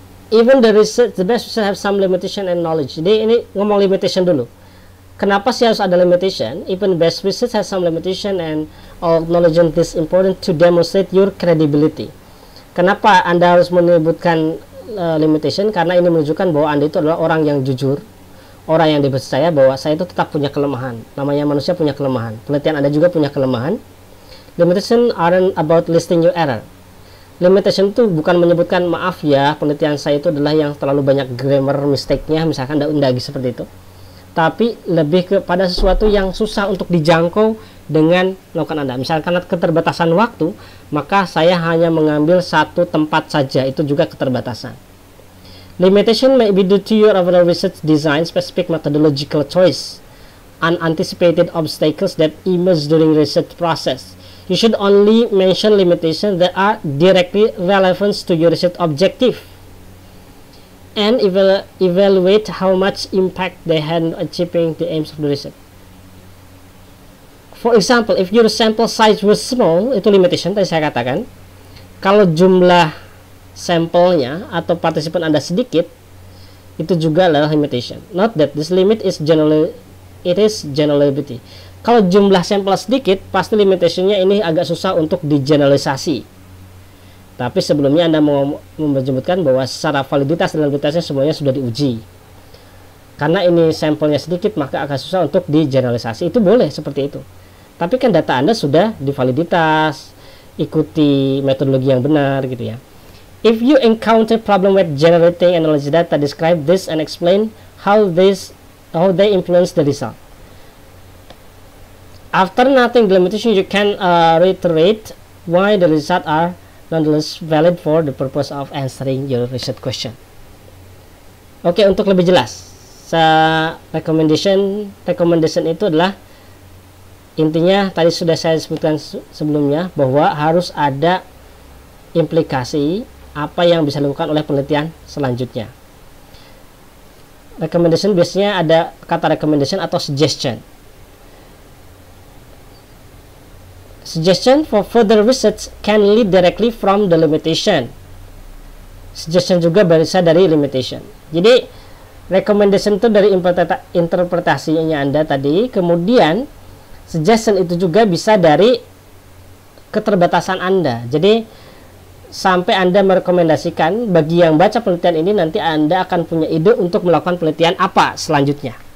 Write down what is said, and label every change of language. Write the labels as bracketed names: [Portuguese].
[English] Even the research, the best research have some limitation and knowledge. [Indonesian] Jadi ini ngomong limitation dulu. Kenapa sih harus ada limitation? [English] Even best research has some limitation and all knowledge and this important to demonstrate your credibility. [Indonesian] Kenapa Anda harus menyebutkan limitation? Karena ini menunjukkan bahwa Anda itu adalah orang yang jujur, orang yang dipercaya bahwa saya itu tetap punya kelemahan. Namanya manusia punya kelemahan. Penelitian Anda juga punya kelemahan. [English] Limitation aren't about listing your error. [Indonesian] Limitation itu bukan menyebutkan, maaf ya, penelitian saya itu adalah yang terlalu banyak grammar mistake-nya, misalkan undagi seperti itu. Tapi lebih kepada sesuatu yang susah untuk dijangkau dengan lakukan Anda. Misalkan keterbatasan waktu, maka saya hanya mengambil satu tempat saja, itu juga keterbatasan. [English] Limitation may be due to your overall research design, specific methodological choice, unanticipated obstacles that emerge during research process. You should only mention limitations that are directly relevant to your research objective and evaluate how much impact they had on achieving the aims of the research. For example, if your sample size was small, [Indonesian] itu limitation tadi saya katakan, kalau jumlah sampelnya atau partisipan Anda sedikit, itu juga adalah limitation. [English] Note that this limit is generally, it is generalizability. [Indonesian] Kalau jumlah sampel sedikit, pasti limitationnya ini agak susah untuk digeneralisasi. Tapi sebelumnya Anda menyebutkan bahwa secara validitas dan validitasnya semuanya sudah diuji. Karena ini sampelnya sedikit, maka agak susah untuk digeneralisasi. Itu boleh seperti itu. Tapi kan data Anda sudah divaliditas, ikuti metodologi yang benar gitu ya. [English] If you encounter problem with generating and analyzing data, describe this and explain how they influence the result. After noting the limitation, you can reiterate why the results are nonetheless valid for the purpose of answering your research question. [Indonesian] Okay, untuk lebih jelas, recommendation itu adalah intinya tadi sudah saya sebutkan sebelumnya bahwa harus ada implikasi apa yang bisa dilakukan oleh penelitian selanjutnya. Recommendation biasanya ada kata recommendation atau suggestion. [English] Suggestion for further research can lead directly from the limitation. [Indonesian] Suggestion juga bisa dari limitation. Jadi recommendation itu dari interpretasinya Anda tadi, kemudian suggestion itu juga bisa dari keterbatasan Anda. Jadi sampai Anda merekomendasikan, bagi yang baca penelitian ini nanti Anda akan punya ide untuk melakukan penelitian apa selanjutnya.